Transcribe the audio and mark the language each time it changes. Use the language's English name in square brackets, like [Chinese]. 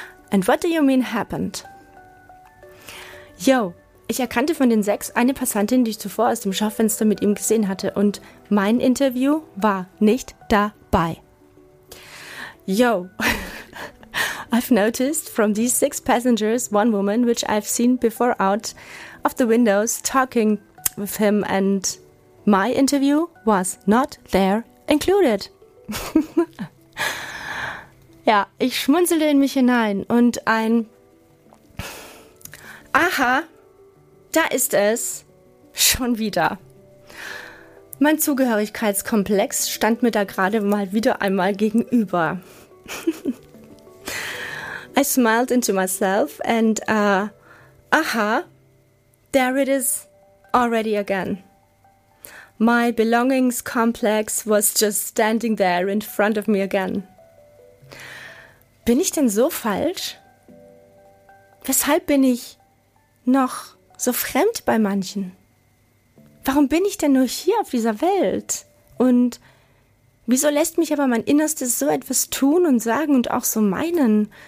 [English] And what do you mean happened? [German] Yo, ich erkannte von den sechs eine Passantin, die ich zuvor aus dem Schaufenster mit ihm gesehen hatte und mein Interview war nicht dabei. [English] Yo, I've noticed from these six passengers one woman which I've seen before out of the windows talking with him and my interview was not there included. [German] Ja, ich schmunzelte in mich hinein und ein Aha, da ist es schon wieder. Mein Zugehörigkeitskomplex stand mir da gerade mal wieder einmal gegenüber. [English] I smiled into myself and aha, there it is already again. My belongings complex was just standing there in front of me again. [German] Bin ich denn so falsch? Weshalb bin ich noch so fremd bei manchen? Warum bin ich denn nur hier auf dieser Welt? Und wieso lässt mich aber mein Innerstes so etwas tun und sagen und auch so meinen?